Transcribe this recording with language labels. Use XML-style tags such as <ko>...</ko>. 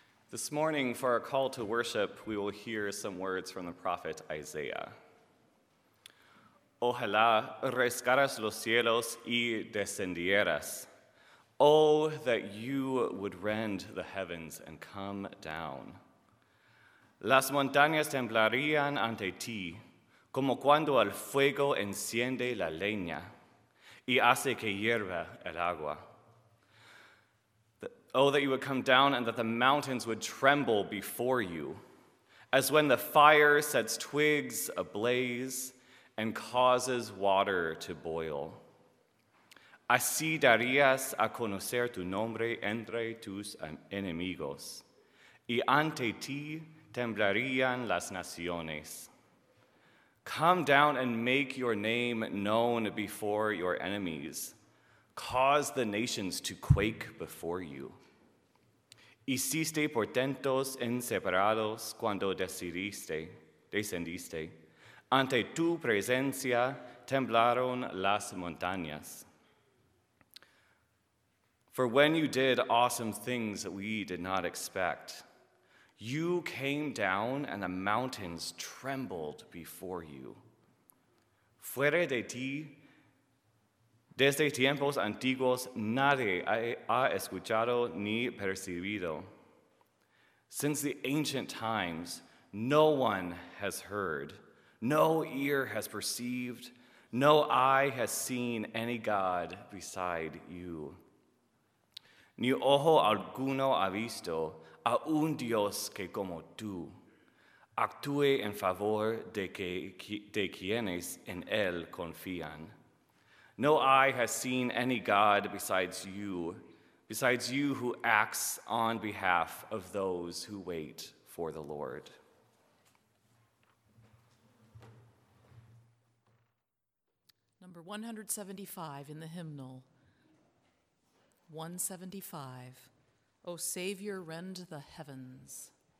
<en>This morning, for our call to worship, we will hear some words from the prophet Isaiah.</en> <es>Ojalá rasgaras los cielos y descendieras.</es> <en>Oh, that you would rend the heavens and come down.</en> <es>Las montañas temblarían ante ti, como cuando el fuego enciende la leña y hace que hierva el agua.</es> <en>Oh, that you would come down and that the mountains would tremble before you, as when the fire sets twigs ablaze and causes water to boil.</en> <es>Así darías a conocer tu nombre entre tus enemigos, y ante ti temblarían las naciones.</es> <en>Come down and make your name known before your enemies. Cause the nations to quake before you.</en> <es>Hiciste portentos inseparados cuando descendiste. Ante tu presencia temblaron las montañas.</es> <en>For when you did awesome things that we did not expect, you came down and the mountains trembled before you.</en> <es>Fuera de ti, desde tiempos antiguos, nadie ha escuchado ni percibido.</es> <en>Since the ancient times, no one has heard, no ear has perceived, no eye has seen any God beside you.</en> <es>Ni ojo alguno ha visto a un Dios que como tú actúe en favor de quienes en él confían.</es> <en>No eye has seen any God besides you who acts on behalf of those who wait for the Lord. Number 175 in the hymnal. 175. O Savior, rend the heavens.</en>